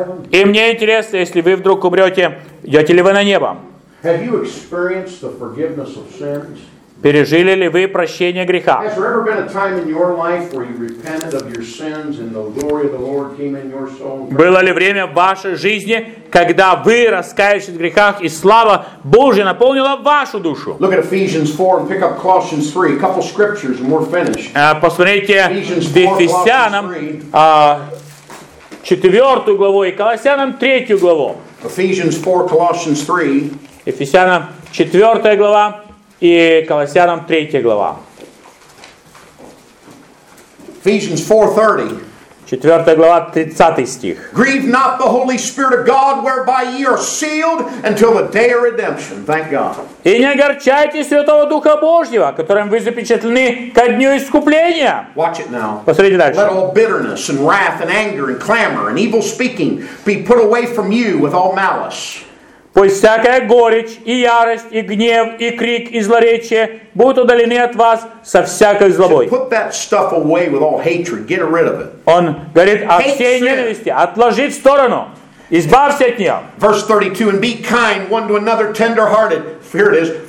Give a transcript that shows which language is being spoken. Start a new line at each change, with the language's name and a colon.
Russian: И мне интересно, если вы вдруг умрете, идете ли вы на небо?
English: Have you experienced the forgiveness of sins?
Russian: Пережили ли вы прощение греха?
English: Has there ever been a time in your life where you repented of your sins and the glory of the Lord came in your soul?
Russian: Было ли время в вашей жизни, когда вы раскаялись в грехах и слава Божья наполнила вашу душу?
English: Look at Ephesians 4 and pick up Colossians 3. A couple scriptures and we're finished.
Russian: Посмотрите Ефесянам 4 главу и Колоссянам 3 главу.
English: Ephesians 4, Colossians 3.
Russian: Ефесянам 4 глава. И Колоссянам 3 глава.
English: Ephesians 4:30.
Russian: 4 глава, 30 стих.
English: Grieve not the Holy Spirit of God, whereby ye are sealed until the day of redemption. Thank God.
Russian: И не огорчайте Святого Духа Божьего, которым вы запечатлены ко дню искупления.
English: Watch it now.
Russian: Посмотрите дальше.
English: Let all bitterness and wrath and anger and clamor and evil speaking be put away from you with all malice.
Russian: Пусть всякая горечь, и ярость, и гнев, и крик, и злоречие будут удалены от вас со всякой злобой.
English: Put that stuff away with all hatred. Get rid of it.
Russian: Он говорит о всей ненависти. Отложи в сторону. Избавься от нее.
English: Verse 32. And be kind one to another, tender hearted. Here it is.